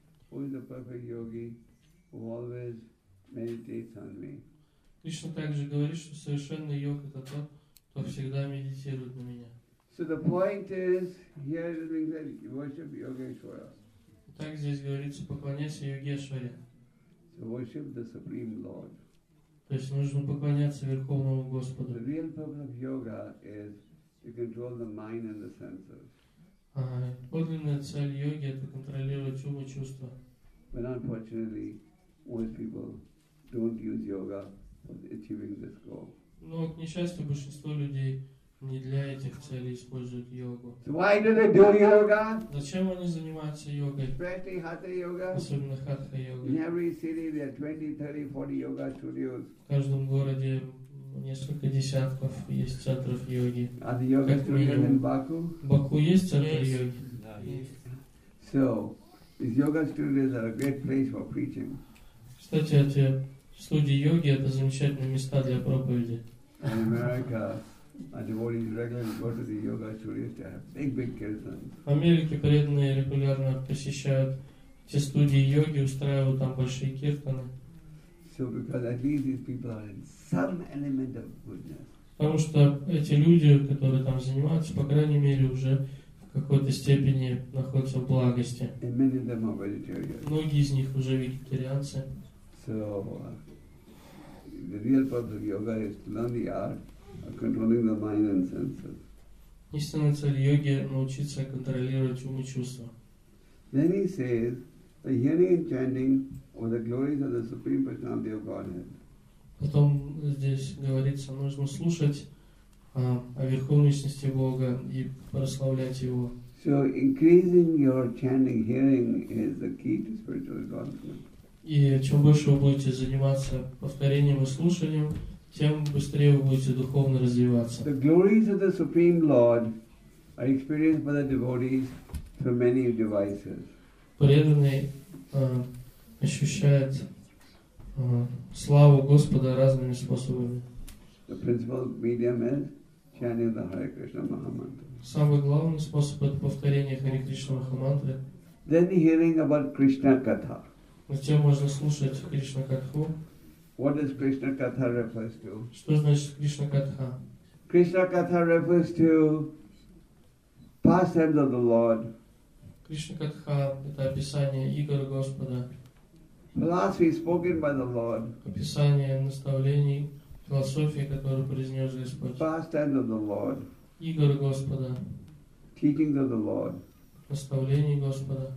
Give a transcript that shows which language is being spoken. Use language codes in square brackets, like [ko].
[en] Who is the perfect yogi who always meditates on me? [ru] Krishna также говорит, что совершенный йог — это тот, кто всегда медитирует на меня. [en] So the point is, here is being said, worship Yogeshwara. [ru] Так здесь говорится, поклоняйся Йогешваре. [en] So worship the Supreme Lord. [ru] То есть нужно поклоняться Верховному Господу. [en] The real purpose of yoga is to control the mind and the senses. [ru] Подлинная цель йоги — это контролировать ум и чувства. [en] But unfortunately, most people don't use yoga for achieving this goal. [ru] Но, к несчастью, большинство людей не для этих целей используют йогу. [en] So why do they do yoga? [ru] Зачем они занимаются йогой? [en] Especially hatha yoga. [ru] Особенно хатха йога. [en] In every city there are 20, 30, 40 yoga studios. [ru] В каждом городе несколько десятков есть центров йоги. [en] Are the yoga studios in Baku? [ru] Баку есть центр йоги. Да, есть. [en] So these yoga studios are a great place for preaching. [ru] Кстати, эти студии йоги — это замечательные места для проповеди. [en] In America. And devotees regularly go to the yoga studios to have big, big kirtans. [ru] В Америке преданные регулярно посещают те студии йоги, устраивают там большие киртаны. [en] So because at least these people are in some element of goodness. [ru] Потому что эти люди, которые там занимаются, по крайней мере уже в какой-то степени находятся в благости. [en] And many of them are vegetarians. [ru] Многие из них уже вегетарианцы. [en] So the real purpose of yoga is to learn the art. Controlling the mind and senses. [ru] Истинная цель йоги — научиться контролировать ум и чувства. [en] Then he says, the hearing and chanting of the glories of the Supreme Personality of Godhead. [ru] Потом здесь говорится, нужно слушать о Верховной Личности Бога и прославлять Его. [en] So increasing your chanting hearing is the key to spiritual advancement. [ru] И чем больше вы будете заниматься повторением и слушанием, тем быстрее вы будете духовно развиваться. [en] The glories of the Supreme Lord are experienced by the devotees through many devices. [ru] Преданный ощущает славу Господа разными способами. [en] The principal medium is chanting the Hare Krishna Mahamantra. [ru] Самый главный способ — это повторение Хари Кришна Махамантры. [en] Then hearing about Krishna Katha. [ru] Затем можно слушать Кришна Катху. [en] What does Krishna Katha refers to? [ru] Что значит Кришна Катха? [en] Krishna Katha refers to pastimes of the Lord. [ru] Кришна Катха — это описание игр Господа. [en] Philosophy spoken by the Lord. [ru] Описание наставлений, философии, которую произнес Господь. [en] Pastimes of the Lord. [ru] Игр Господа. [en] Teachings of the Lord. [ru] Наставления Господа.